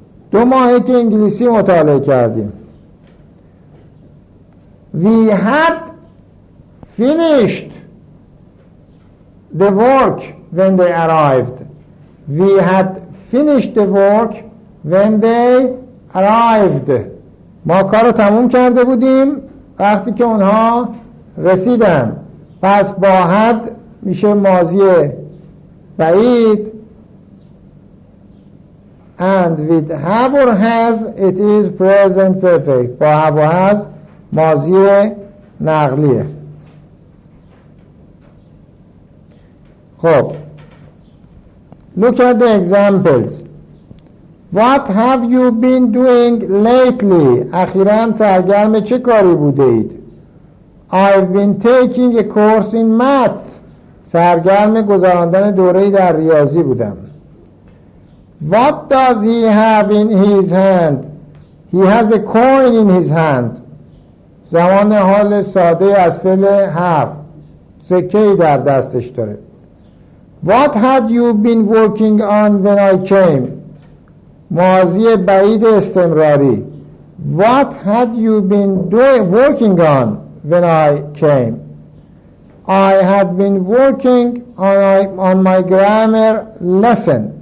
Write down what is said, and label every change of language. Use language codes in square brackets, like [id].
[fa] 2 ماهه که انگلیسی مطالعه کردیم. [en] We had finished the work when they arrived. We had finished the work when they arrived. [fa] ما کارو تموم کرده بودیم وقتی که اونها رسیدن. پس با had میشه ماضی بعید. [en] And with have or has it is present perfect. [fa] با have or has ماضی نقلیه. [en] خب look at the examples. What have you been doing lately? [fa] اخیراً سرگرم چه کاری بوده اید؟ [en] I've been taking a course in math. [fa] سرگرم گذراندن دوره‌ای در ریاضی بودم. [en] What does he have in his hand? He has a coin in his hand. [fa] زمان حال ساده از فعل have. سکه‌ای در دستش داره. [en] What had you been working on when I came? [fa] ماضی بعید استمراری. [en] What had you been working on when I came? I had been working on my grammar lesson.